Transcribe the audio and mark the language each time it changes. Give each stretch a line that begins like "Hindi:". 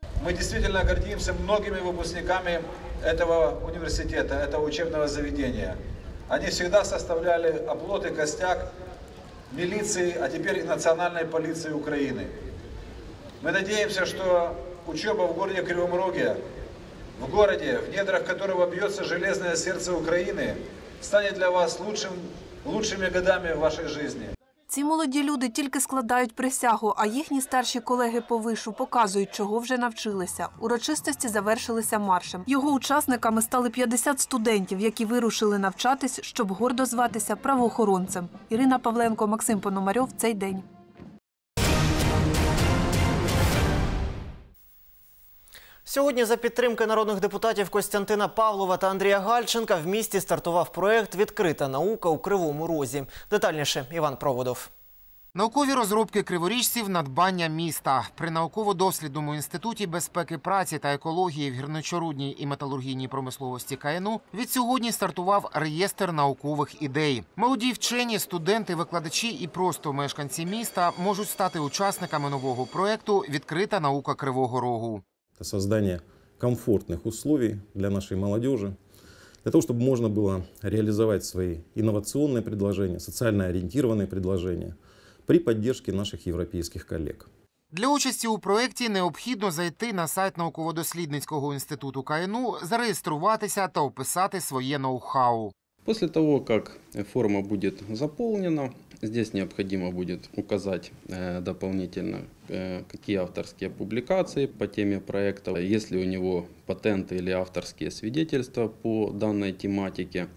Ukrainian: Ми дійсно гордимося багатьма випускниками цього університету, цього учебного заведення. Вони завжди складали облоти, костяк міліції, а тепер і національної поліції України. Ми сподіваємося, що учеба в місті Кривому Розі, в місті, в недрах якого б'ється железне серце України,
Russian: станет для вас лучшими годами в вашей жизни.
Ukrainian: Ці молоді люди тільки складають присягу, а їхні старші колеги по вишу показують, чого вже навчилися. Урочистості завершилися маршем. Його учасниками стали 50 студентів, які вирушили навчатись, щоб гордо зватися правоохоронцем. Ірина Павленко, Максим Пономарьов. Цей день. Сьогодні за підтримки народних депутатів Костянтина Павлова та Андрія Гальченка в місті стартував проект «Відкрита наука у Кривому Розі». Детальніше – Іван Проводов. Наукові розробки криворіжців – надбання міста. При науково-дослідному інституті безпеки праці та екології в гірничорудній і металургійній промисловості КНУ відсьогодні стартував реєстр наукових ідей. Молоді вчені, студенти, викладачі і просто мешканці міста можуть стати учасниками нового проекту «Відкрита наука Кривого Рогу».
Russian: Создание комфортных условий для нашей молодежи, для того, чтобы можно было реализовать свои инновационные предложения, социально ориентированные предложения при поддержке наших европейских коллег.
Ukrainian: Для участі у проєкті необхідно зайти на сайт Науково-дослідницького інституту КНУ, зареєструватися та описати своє ноу-хау.
Russian: После того, как форма будет заполнена, здесь необходимо будет указать дополнительно, какие авторские публикации по теме проекта, есть ли у него патенты или авторские свидетельства по данной тематике.